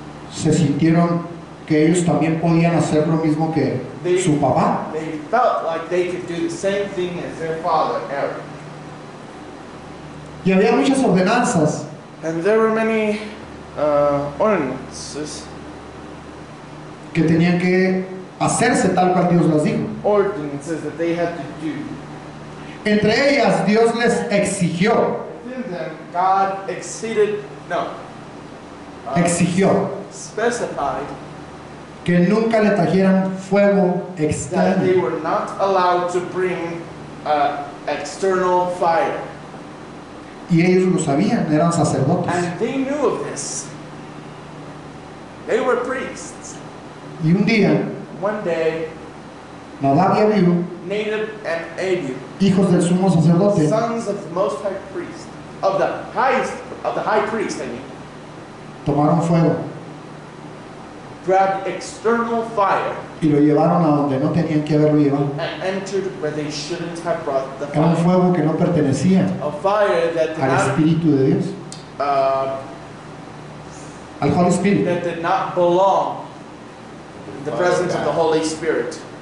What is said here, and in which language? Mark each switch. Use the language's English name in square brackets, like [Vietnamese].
[Spanish] se sintieron que ellos también podían hacer lo mismo que [English] they, [Spanish] su papá. [English] They felt like they could do the same thing as their father, Aaron. [Spanish] Y había muchas ordenanzas. [English] And there were many ordinances [Spanish] que tenían que hacerse tal cual Dios las dijo. [English] Ordinances that they had to do. [Spanish] Entre ellas, Dios les exigió. [English] Within them, God exceeded, no. [Spanish] Exigió. [English] Specified. [Spanish] Que nunca le trajeran fuego externo. [English] They were not allowed to bring external fire. [Spanish] Y ellos lo sabían, eran sacerdotes. [English] And they knew of this. They were priests. [Spanish] Y un día, [English] one day, [Spanish] Nadab y Abihu, [English] Nadab and Abihu, [Spanish] hijos del sumo sacerdote, [English] sons of the most high priest, of the highest, of the high priest, I mean, [Spanish] tomaron fuego, [English] grabbed external fire, [Spanish] y lo llevaron a donde no tenían que haberlo llevado, [English] and entered where they shouldn't have brought the fire. [Spanish] Era un fuego que no pertenecía [English] a fire that [Spanish] al Espíritu de Dios, al Holy Spirit, [English] that did not belong in the presence of the Holy Spirit.